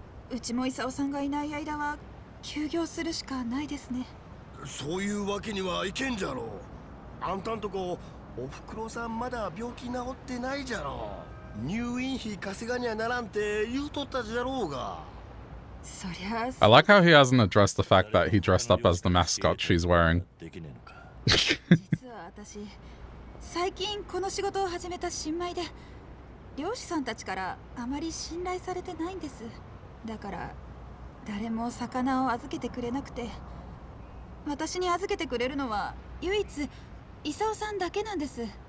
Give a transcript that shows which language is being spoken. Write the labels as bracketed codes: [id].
[ja] うちも伊沢さんがいない間は休業するしかないですね。そういうわけにはいけんじゃろ。あんたんとこおふくろさんまだ病気治ってないじゃろ。入院費稼がにゃならんて言うとったじゃろうが。 [en] I like how he hasn't addressed the fact that he dressed up as the mascot she's wearing. [ja] 実は私、最近この仕事を始めた新米で、漁師さんたちからあまり信頼されてないんです。だから、誰も魚を預けてくれなくて、私に預けてくれるのは唯一、伊沢さんだけなんです。